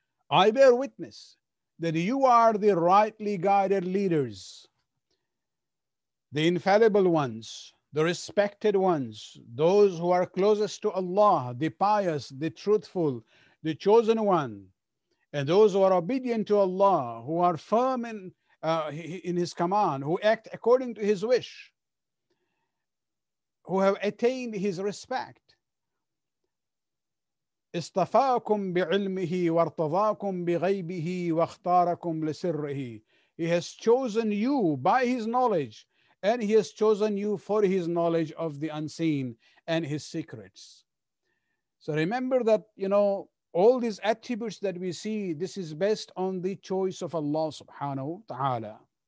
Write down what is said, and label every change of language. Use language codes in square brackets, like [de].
[en] I bear witness that you are the rightly guided leaders, the infallible ones, the respected ones, those who are closest to Allah, the pious, the truthful, the chosen one, and those who are obedient to Allah, who are firm in his command, who act according to his wish, who have attained his respect. [ar] اصطفاكم بعلمه وارتضاكم بغيبه واختاركم لسره. [en] He has chosen you by his knowledge, and he has chosen you for his knowledge of the unseen and his secrets. So remember that, you know, all these attributes that we see, this is based on the choice of Allah subhanahu wa ta'ala.